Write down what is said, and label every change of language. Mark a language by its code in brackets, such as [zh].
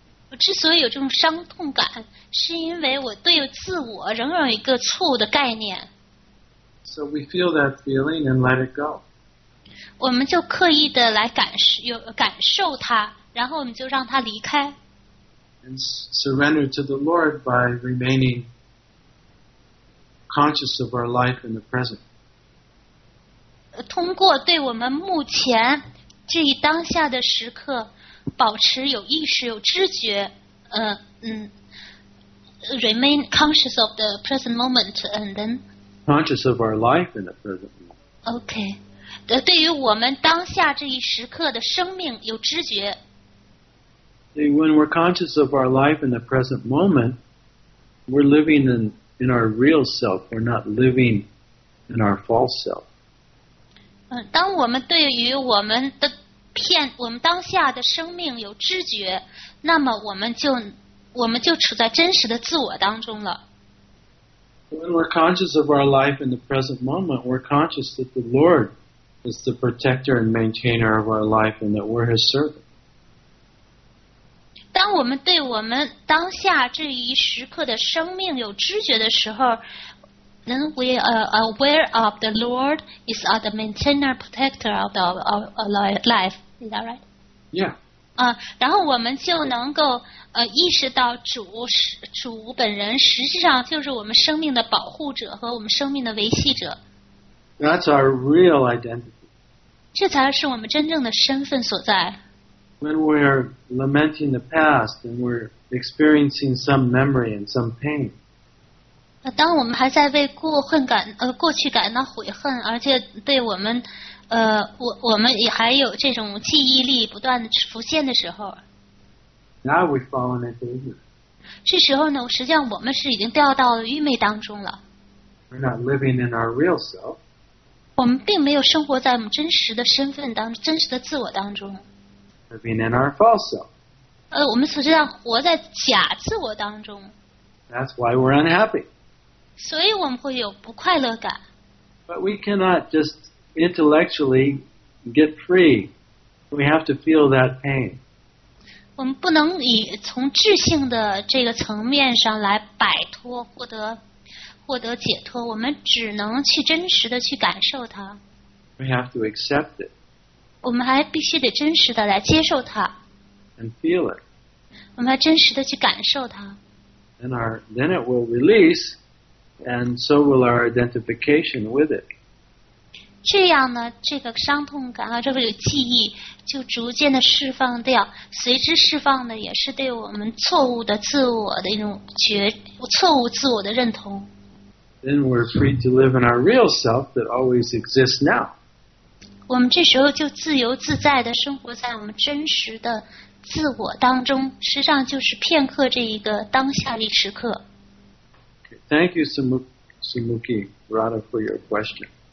[zh] 我之所以有这种伤痛感，是因为我对自我仍有一个错误的概念。 [en] So we feel that feeling and let it go. [zh] 我们就刻意的来感受它。然后我们就让他离开。 [en] And surrender to the Lord by remaining conscious of our life in the present. [zh] 通过对我们目前这一当下的时刻保持有意识、有知觉， [en] remain conscious of the present moment, and then conscious of our life in the present moment. [zh] Okay, 对于我们当下这一时刻的生命有知觉。 [en] When we're conscious of our life in the present moment, we're living in our real self. We're not living in our false self. [zh] 当我们对于我们的我们当下的生命有知觉，那么我们就处在真实的自我当中了。 [en] When we're conscious of our life in the present moment, we're conscious that the Lord is the protector and maintainer of our life and that we're His servant. [zh] 当我们对我们当下这一时刻的生命有知觉的时候 [en] then we are aware of the Lord is the maintainer, protector of our life. Is that right? Yeah. [zh] 然后我们就能够意识到主本人实际上就是我们生命的保护者和我们生命的维系者。 [en] That's our real identity. [zh] 这才是我们真正的身份所在。 [en] When we're lamenting the past and we're experiencing some memory and some pain. [zh] 当我们还在为过去感到悔恨，而且对我们我们也还有这种记忆力不断的浮现的时候， [en] Now we've fallen into ignorance. [zh] 这时候呢，实际上我们是已经掉到了愚昧当中了。 [en] We're not living in our real self. [zh] 我们并没有生活在我们真实的身份当中，真实的自我当中。 [en] Living in our false self. [zh] 我们实际上活在假自我当中。 [en] That's why we're unhappy. [zh] 所以我们会有不快乐感。 [en] But we cannot just. Intellectually, get free. We have to feel that pain. [zh] 我们不能以从智性的这个层面上来摆脱获得解脱。我们只能去真实的去感受它。 [en] We have to accept it. [zh] 我们还必须得真实的来接受它。 [en] And feel it. [zh] 我们还真实的去感受它。 [en] And then it will release, and so will our identification with it. [zh] 这样呢，这个伤痛感啊，这个记忆就逐渐的释放掉，随之释放的也是对我们错误的自我的一种错误自我的认同。 [en] Then we're free to live in our real self that always exists now. [zh] 我们这时候就自由自在的生活在我们真实的自我当中，实际上就是片刻这一个当下的时刻。 [en] Okay, thank you, Sumuki Rada, for your question.